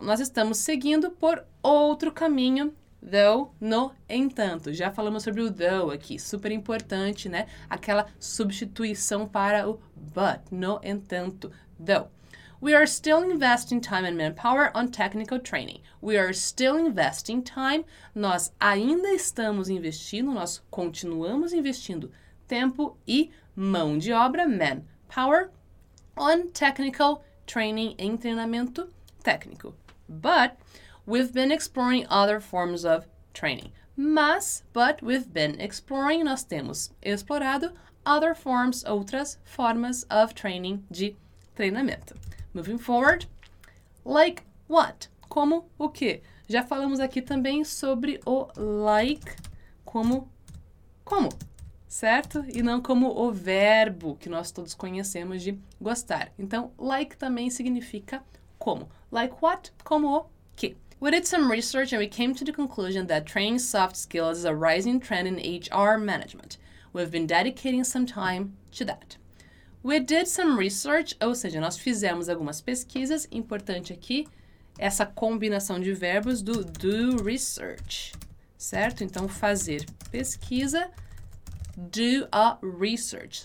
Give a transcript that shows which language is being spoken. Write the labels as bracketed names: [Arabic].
[Portuguese] Nós estamos seguindo por outro caminho, though, no entanto. Já falamos sobre o though aqui, super importante, né? Aquela substituição para o but, no entanto, though. [English] We are still investing time and manpower on technical training. We are still investing time. [Portuguese] Nós ainda estamos investindo, nós continuamos investindo tempo e mão de obra, manpower, [English] on technical training, [Portuguese] em treinamento técnico. [English] But we've been exploring other forms of training. [Portuguese] Mas, [English] but we've been exploring, [Portuguese] nós temos explorado [English] other forms, [Portuguese] outras formas [English] of training, [Portuguese] de treinamento. [English] Moving forward, like what? [Portuguese] Como o quê? Já falamos aqui também sobre o like como, certo? E não como o verbo que nós todos conhecemos de gostar. Então, like também significa como. [English] Like what? [Portuguese] Como o quê? [English] We did some research and we came to the conclusion that training soft skills is a rising trend in HR management. We've been dedicating some time to that. We did some research, [Portuguese] ou seja, nós fizemos algumas pesquisas. Importante aqui essa combinação de verbos do do research, certo? Então, fazer pesquisa, do a research.